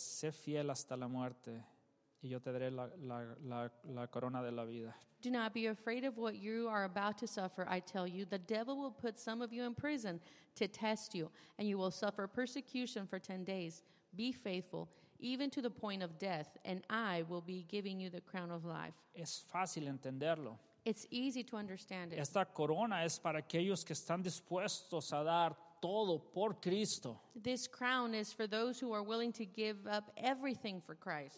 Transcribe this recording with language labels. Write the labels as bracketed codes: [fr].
[es] Sé fiel hasta la muerte, y yo te daré la corona de la vida. [en] Do not be afraid of what you are about to suffer. I tell you, the devil will put some of you in prison to test you, and you will suffer persecution for 10 days. Be faithful, even to the point of death, and I will be giving you the crown of life. [es] Es fácil entenderlo. [en] It's easy to understand it. [es] Esta corona es para aquellos que están dispuestos a dar todo por Cristo. [en] This crown is for those who are willing to give up everything for Christ.